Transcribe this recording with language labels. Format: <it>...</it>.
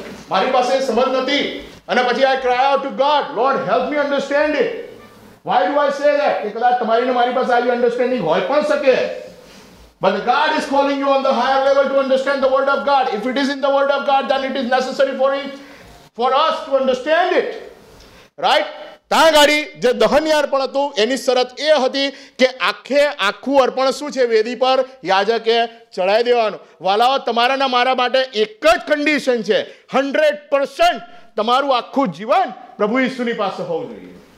<gu>મારી પાસે સમજ નથી અને પછી</gu> <en>I cry out to God, Lord help me understand it. Why do I say that?</en> <gu>કે કદાચ તમારી ને મારી પાસે આવી અન્ડરસ્ટેન્ડિંગ હોય પણ શકે.</gu> <en>But God is calling you on the higher level to understand the word of God. If it is in the word of God, then it is necessary for you. For us to understand it. Right?</en> <gu>ત્યાં ગાડી જે દહનીય અર્પણ હતું એની શરત એ હતી કે આખે આખું અર્પણ શું છે, વેદી પર યાજકે ચડાવી દેવાનું. વાલાઓ, તમારાના મારા માટે એક જ કન્ડિશન છે, 100% તમારું આખું જીવન પ્રભુ ઈસુની પાસે હોવું જોઈએ.</gu>